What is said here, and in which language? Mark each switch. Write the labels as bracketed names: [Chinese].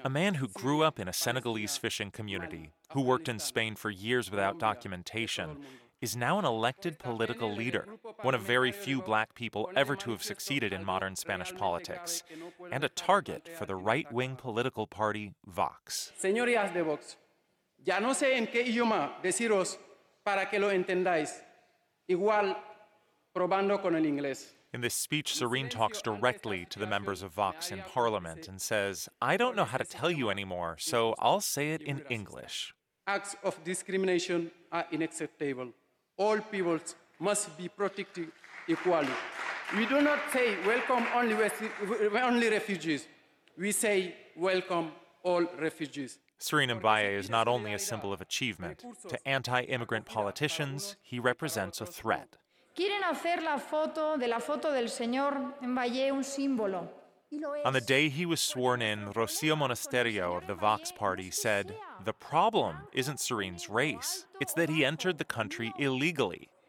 [English] A man who grew up in a Senegalese fishing community, who worked in Spain for years without documentation, is now an elected political leader, one of very few black people ever to have succeeded in modern Spanish politics, and a target for the right-wing political party, Vox. [Spanish] Señorías de Vox, ya no sé en qué idioma deciros para que lo entendáis, igual probando con el inglés. [English] In this speech, Serene talks directly to the members of Vox in Parliament and says, I don't know how to tell you anymore, so I'll say it in English. Acts of discrimination are unacceptable. All people must be protected equally. We do not say welcome only refugees. We say welcome all refugees. Serene Mbaye is not only a symbol of achievement. To anti-immigrant politicians, he represents a threat. [Spanish] ¿Quieren hacer la foto del señor Mbaye un símbolo? [English] On the day he was sworn in, Rocío Monasterio of the Vox party said, the problem isn't Serene's race, it's that he entered the country illegally.